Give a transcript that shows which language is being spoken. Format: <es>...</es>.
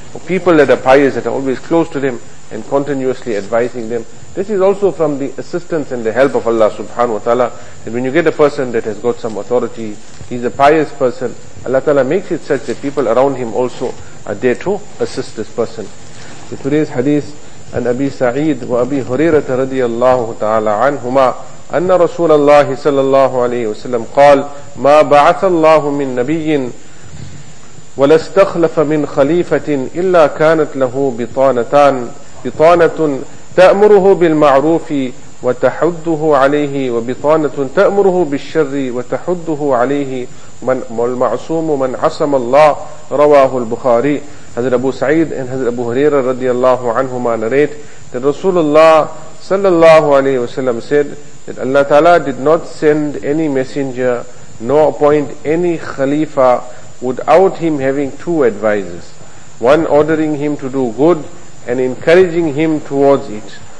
<en>People that are pious, that are always close to them and continuously advising them. This is also from the assistance and the help of Allah subhanahu wa ta'ala. And when you get a person that has got some authority, he's a pious person, Allah Ta'ala makes it such that people around him also are there to assist this person. So today's hadith,</en> <ar>عن أبي سعيد وأبي هريرة رضي الله تعالى عنهما أن رسول الله صلى الله عليه وسلم قال ما بعث الله من نبي ولا استخلف من خليفة إلا كانت له بطانتان، بطانة تأمره بالمعروف وتحده عليه وبطانة تأمره بالشر وتحده عليه من المعصوم من عصم الله رواه البخاري.</ar> <en>Hazrat Abu Sa'id and Hazrat Abu Huraira radiallahu anhuma narrate that Rasulullah sallallahu alayhi wasallam said that Allah Ta'ala did not send any messenger nor appoint any khalifa without him having two advisors, one ordering him to do good and encouraging him towards it,</en>